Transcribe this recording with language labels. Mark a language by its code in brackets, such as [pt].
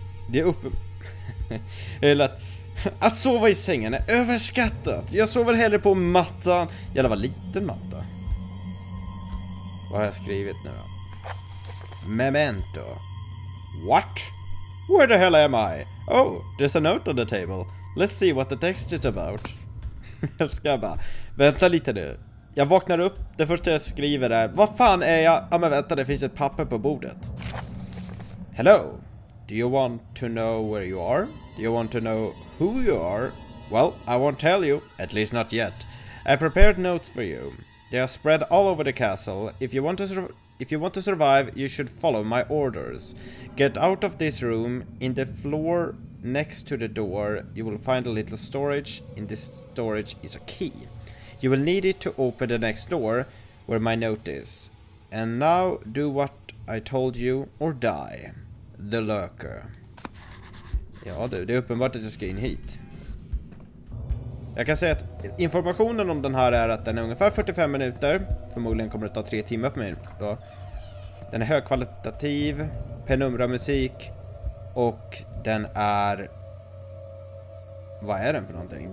[sv] Det är upp... Eller att sova i sängen är överskattat. Jag sover hellre på mattan. Jävlar vad liten matta. Vad har jag skrivit nu då? [en] Memento. What? Where the hell am I? Oh, there's a note on the table. Let's see what the text is about. [sv] Jag ska bara... Vänta lite nu. Jag vaknar upp. Det första jag skriver är... Vad fan är jag? Ja, men vänta. Det finns ett papper på bordet. [en] Hello. Do you want to know where you are? Do you want to know who you are? Well, I won't tell you. At least not yet. I prepared notes for you. They are spread all over the castle. If you want to survive, you should follow my orders. Get out of this room. In the floor next to the door, you will find a little storage. In this storage is a key. You will need it to open the next door where my note is. And now do what I told you or die. The Lurker. [sv] Ja du, det är uppenbart att jag ska in hit. Jag kan säga att informationen om den här är att den är ungefär 45 minuter. Förmodligen kommer det ta 3 timmar för mig. Då. Den är högkvalitativ, penumbra musik och den är... Vad är den för någonting?